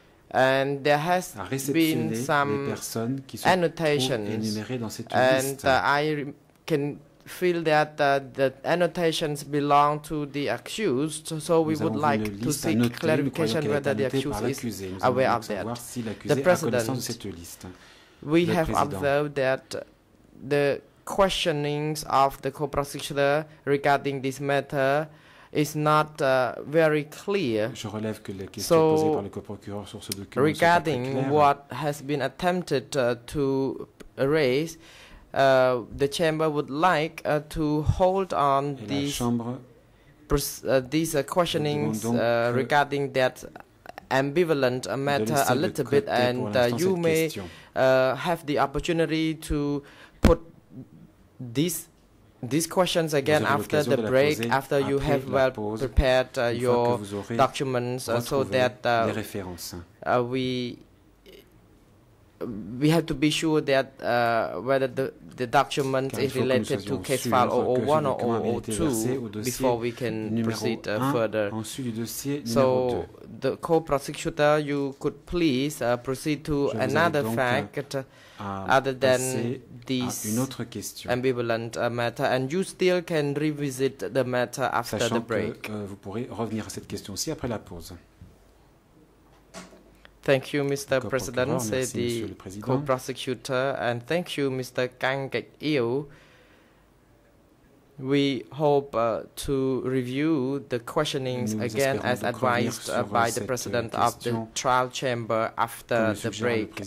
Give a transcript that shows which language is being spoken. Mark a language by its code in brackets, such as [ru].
[en] And there has been some annotations, and I can feel that the annotations belong to the accused, so we would like to seek clarification whether the accused is aware of that. The President, we have observed that the questionings of the co-prosecutor regarding this matter is not very clear. [fr] Je relève que les questions posées par le coprocureur sur ce document [en] regarding what has been attempted to raise, the chamber would like to hold on these questionings regarding that ambivalent matter a little bit, and you may have the opportunity to put these questions again after the break, after you have well prepared your documents, so that we have to be sure that whether the document is related to case file 001 or 002 before we can proceed further. So the co-prosecutor, you could please proceed to another fact other than this ambivalent matter, and you still can revisit the matter after the break. [fr] Vous pourrez revenir à cette question aussi après la pause. [en] Thank you, Mr. President, said the co-prosecutor, and thank you, Mr. Kang Il. We hope to review the questionings again as advised by the President of the Trial Chamber after the break.